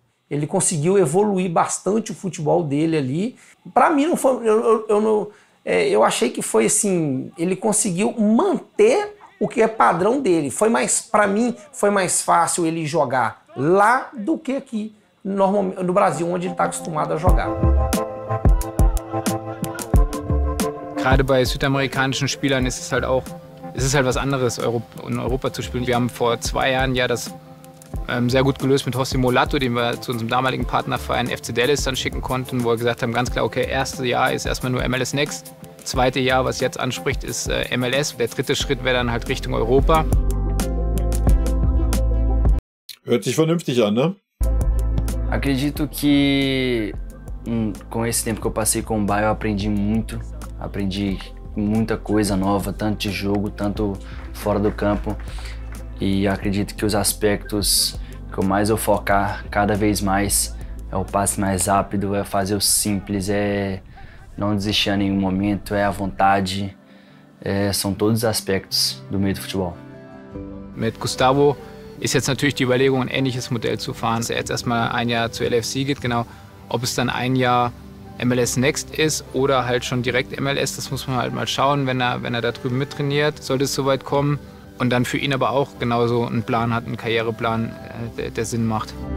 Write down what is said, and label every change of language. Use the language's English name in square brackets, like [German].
[Portuguese] Ele conseguiu evoluir bastante o futebol dele ali. Para mim, não foi. Eu achei que foi assim. Ele conseguiu manter o que é padrão dele. Foi mais. Para mim, foi mais fácil ele jogar lá do que aqui. No Brasil, onde ele está acostumado a jogar. [German] Gerade bei südamerikanischen Spielern ist es halt auch, es ist halt was anderes, in Europa zu spielen. Wir haben vor 2 Jahren ja das sehr gut gelöst mit José Mulato, den wir zu unserem damaligen Partnerverein FC Dallas dann schicken konnten, wo wir gesagt haben, ganz klar, okay, erstes Jahr ist erstmal nur MLS Next, zweite Jahr, was jetzt anspricht, ist MLS. Der dritte Schritt wäre dann halt Richtung Europa. Hört sich vernünftig an, ne? [Portuguese] Acredito que com esse tempo que eu passei com o Bayern, eu aprendi muito. Aprendi muita coisa nova, tanto de jogo, tanto fora do campo. E acredito que os aspectos que eu mais vou focar cada vez mais é o passe mais rápido, é fazer o simples, é não desistir a nenhum momento, é a vontade. São todos os aspectos do meio do futebol. [German] Mit Gustavo ist jetzt natürlich die Überlegung, ein ähnliches Modell zu fahren, dass er jetzt erstmal ein Jahr zu LFC geht, genau. Ob es dann ein Jahr MLS Next ist oder halt schon direkt MLS, das muss man halt mal schauen, wenn er da drüben mittrainiert, sollte es soweit kommen. Und dann für ihn aber auch genauso einen Plan hat, einen Karriereplan, der Sinn macht.